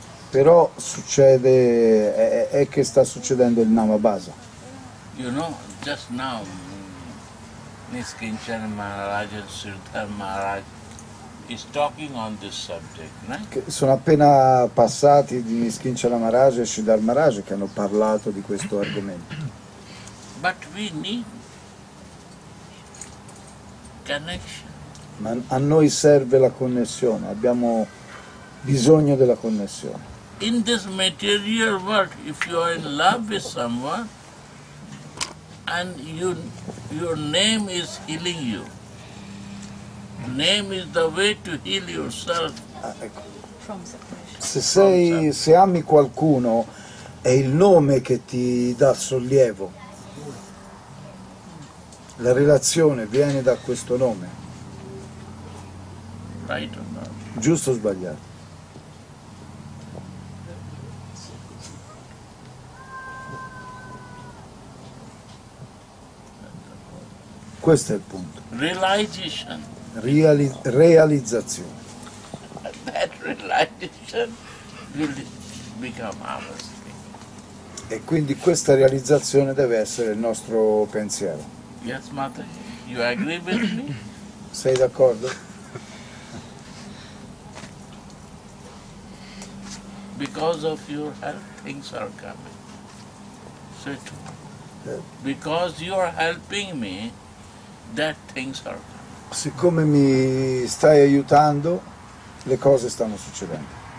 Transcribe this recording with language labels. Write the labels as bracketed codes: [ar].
[it] Però succede, è che sta succedendo il namabhasa. [en] You know, just now, Nishkinchan Maharaj and Sridhar Maharaj is talking on this subject, [it] che sono appena passati di Schinchala Maharaj e Sridhar Maharaj che hanno parlato di questo argomento. [en] But we need connection. [it] Ma a noi serve la connessione, abbiamo bisogno della connessione. [en] In this material world, if you are in love with someone and your name is healing you, name is the way to heal yourself. [it] Ah, ecco. Se ami qualcuno, è il nome che ti dà sollievo. La relazione viene da questo nome. [en] Right or not? [it] Giusto o sbagliato? Questo è il punto. [en] Realization. [it] Realizzazione. [en] And that realization will become our thing. [it] E quindi questa realizzazione deve essere il nostro pensiero. [en] Yes, Mother, you agree with me? [it] Sei d'accordo? [en] Because of your health, things are coming. Say to me. Because you are helping me, that things are coming. [it] Siccome mi stai aiutando, le cose stanno succedendo.